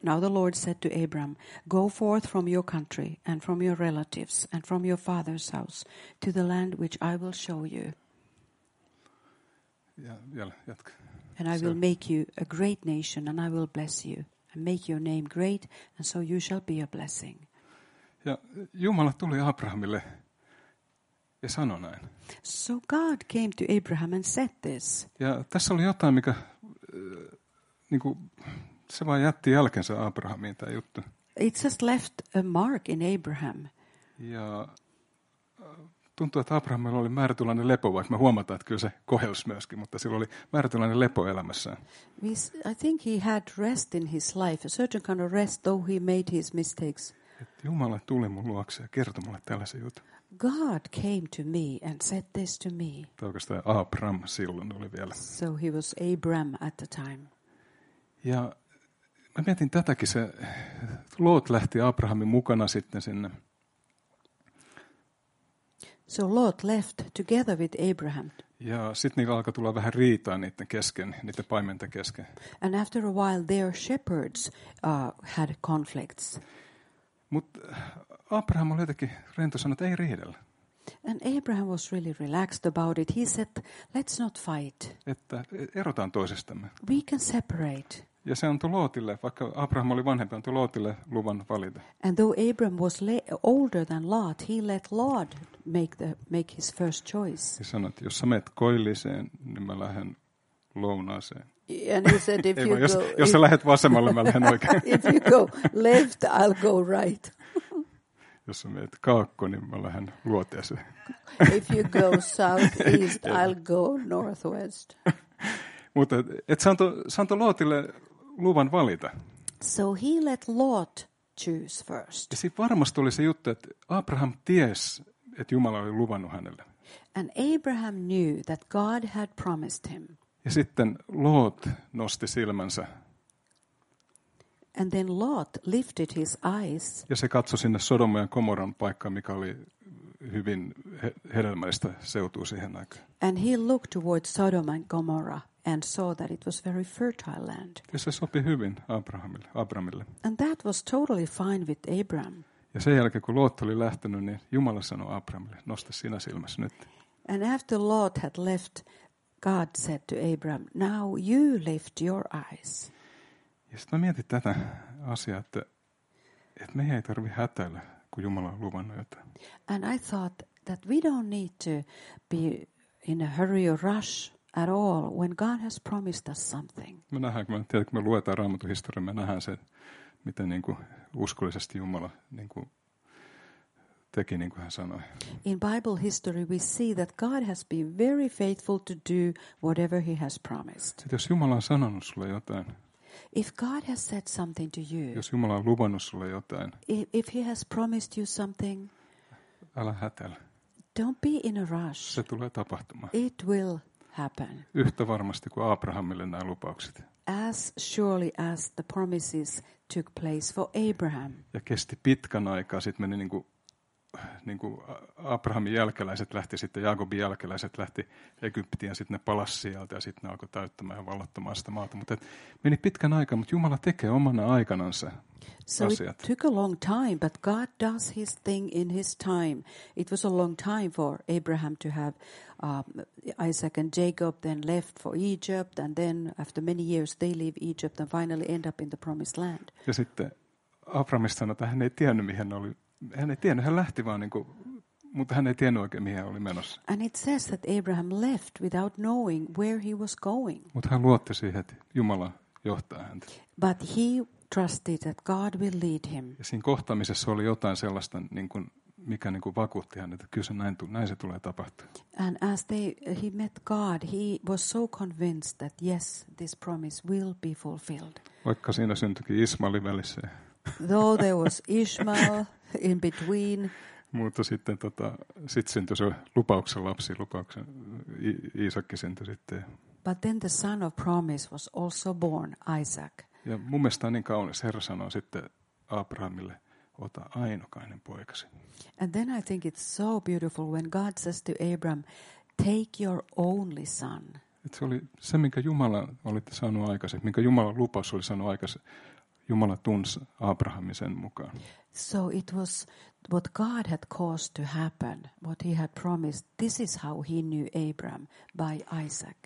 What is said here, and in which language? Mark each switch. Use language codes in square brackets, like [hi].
[en] Now the Lord said to Abram, go forth from your country and from your relatives and from your father's house to the land which I will show you. [fi] Jatka. [en] And I will make you a great nation and I will bless you and make your name great and so you shall be a blessing. [fi] Ja Jumala tuli Abrahamille ja sanoi näin. [en] So God came to Abraham and said this. [fi] Ja tässä oli jotain, mikä niinku se vaan jätti jälkensä Abrahamiin tämä juttu. [en] It just left a mark in Abraham. [fi] Ja tuntuu, että Abrahamilla oli määrätynlainen lepo, vaikka me huomataan, että kyllä se kohelsi myöskin, mutta sillä oli määrätynlainen lepo elämässään. [en] I think he had rest in his life, a certain kind of rest, though he made his mistakes. [fi] Et Jumala tuli mun luokse ja kertoi mulle tällaisen jutun. [en] God came to me and said this to me. [fi] Oikeastaan Abraham silloin oli vielä. [en] So he was Abraham at the time. [fi] Ja mä mietin tätäkin, se Lot lähti Abrahamin mukana sitten sinne. [en] So Lot left together with Abraham. [fi] Ja sitten niillä alkoi tulla vähän riitaa niiden kesken, niiden paimenten kesken. [en] And after a while their shepherds had conflicts. [fi] Mut Abraham oli jotenkin rento, sanoi, että ei riidellä. [en] And Abraham was really relaxed about it. He said, let's not fight. [fi] Että erotaan toisistamme. [en] We can separate. [fi] Ja se antoi Lotille, vaikka Abraham oli vanhempi, antoi Lotille luvan valita. [en] And though Abraham was older than Lot, he let Lot make his first choice. [fi] Ja sanoi, että jos sä menet koilliseen, niin mä lähden lounaaseen. [en] And he said, if you go, [fi] jos sä lähdet vasemmalle, mä lähden oikein. [en] If you go left, I'll go right. [fi] jos sä meet kaakko, niin mä lähden luoteeseen. [en] If you go southeast, I'll go northwest. [fi] Mutta et saanto Lotille luvan valita. [en] So he let Lot choose first. [fi] Ja sitten varmasti oli se juttu, että Abraham ties, että Jumala oli luvannut hänelle. [en] And Abraham knew that God had promised him. [fi] Ja sitten Lot nosti silmänsä. [en] And then Lot lifted his eyes. [fi] Ja se katsoi sinne Sodoman ja Gomorran paikkaan, mikä oli hyvin hedelmällistä seutua siihen aikaan. [en] And he looked towards Sodom and Gomorrah and saw that it was very fertile land. [fi] Ja se sopi hyvin Abrahamille. [en] And that was totally fine with Abraham. [fi] Ja sen jälkeen, kun Lot oli lähtenyt, niin Jumala sanoi Abrahamille, nosta sinä silmäsi nyt. [en] And after Lot had left, God said to Abraham, now you lift your eyes. [fi] Ja sitten mä mietin tätä asiaa, että meidän ei tarvitse hätäillä, kun Jumala on luvannut jotain. [en] And I thought that we don't need to be in a hurry or rush at all when God has promised us something. [fi] Me nähdään, kun me luetaan Raamatun historiaa, me nähdään se, miten niin kuin uskollisesti Jumala niin kuin teki, niin kuin hän sanoi. [en] In Bible history we see that God has been very faithful to do whatever he has promised. [fi] Et jos Jumala on sanonut sulle jotain. [en] If God has said something to you. [fi] Jos Jumala on luvannut sulle jotain. [en] If he has promised you something. [fi] Älä hätäile. [en] Don't be in a rush. [fi] Se tulee tapahtumaan. [en] It will happen. [fi] Yhtä varmasti kuin Abrahamille nämä lupaukset. [en] As surely as the promises took place for Abraham. [fi] Ja kesti pitkän aikaa, sit meni niin kuin Abrahamin jälkeläiset lähti, sitten Jaakobin jälkeläiset lähti Egyptiin, sitten ne palasi sieltä ja sitten ne alkoi täyttämään ja vallottamaan sitä maata. Mutta meni pitkän aikaa, mutta Jumala tekee omana aikanansa so asiat. [en] So it took a long time, but God does his thing in his time. It was a long time for Abraham to have Isaac and Jacob, then left for Egypt, and then after many years they leave Egypt and finally end up in the promised land. [fi] Ja sitten Abrahamista sanoi, että hän ei tiennyt, mihin ne oli. Hän ei tiennyt, hän lähti vaan, mutta hän ei tiennyt oikein, mihin hän oli menossa. [en] And it says that Abraham left without knowing where he was going. [fi] Mutta hän luotti siihen, että Jumala johtaa häntä. [en] But he trusted that God will lead him. [fi] Ja siinä kohtaamisessa oli jotain sellaista, mikä vakuutti hänet, että kyllä se näin se tulee tapahtua. [en] And as he met God, he was so convinced that yes, this promise will be fulfilled. [fi] Vaikka siinä syntyikin Ismaelin välissä. [en] Though there was Ishmael in between. [fi] Mutta sitten sit syntyi se lupauksen lapsi, lupauksen Iisakki syntyi sitten. [en] But then the son of promise was also born, Isaac. [fi] Ja mun mielestä on niin kaunis, Herra sanoi sitten Abrahamille, ota ainokainen poikasi. [en] And then I think it's so beautiful when God says to Abraham, take your only son. [fi] Et se oli se, minkä Jumala oli sanonut aikaisemmin, minkä Jumala lupaus oli sanonut aikaisemmin. Jumala tunsi Abrahamin sen mukaan. [en] So it was what God had caused to happen, what he had promised. This is how he knew Abraham, by Isaac.